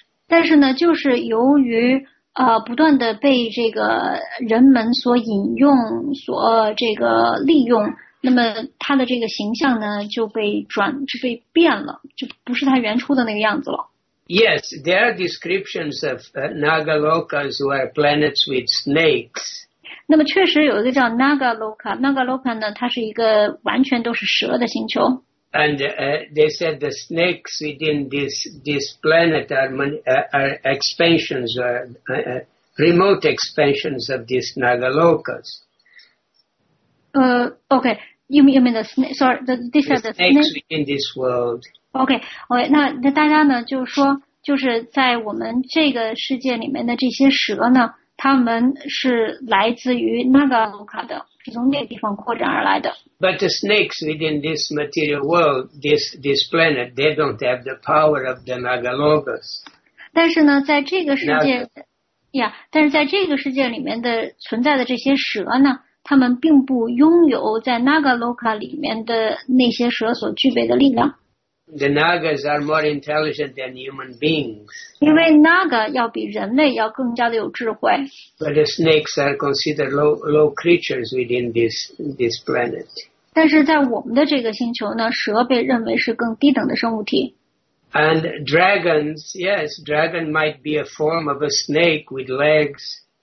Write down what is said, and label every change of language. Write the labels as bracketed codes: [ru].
[zh] 但是呢就是由于不断的被这个人们所引用所这个利用那么他的这个形象呢就被变了就不是他原初的那个样子了。 [en] Yes, there are descriptions of Nagalokas who are planets with snakes. [zh] 那么确实有一个叫 Nagaloka 呢它是一个完全都是蛇的星球。 [en] And they said the snakes within this planet are expansions, remote expansions of these Nagalokas. Okay. You mean the snake? Sorry, these are the snakes in this world. [zh] Okay, 那大家呢就说，就是在我们这个世界里面的这些蛇呢，他们是来自于那个卢卡的，是从那个地方扩展而来的。 [en] But the snakes within this material world, this planet, they don't have the power of the Nagalokas. [zh] 但是呢，在这个世界，但是在这个世界里面的存在的这些蛇呢，他们并不拥有在 Nagaloka 里面的那些蛇所具备的力量。 [en] The Nagas are more intelligent than human beings. [zh] 因为 Naga 要比人类要更加的有智慧。 [en] But the snakes are considered low creatures within this planet. [zh] 但是在我们的这个星球呢，蛇被认为是更低等的生物体。 [en] And dragons, yes, dragon might be a form of a snake with legs.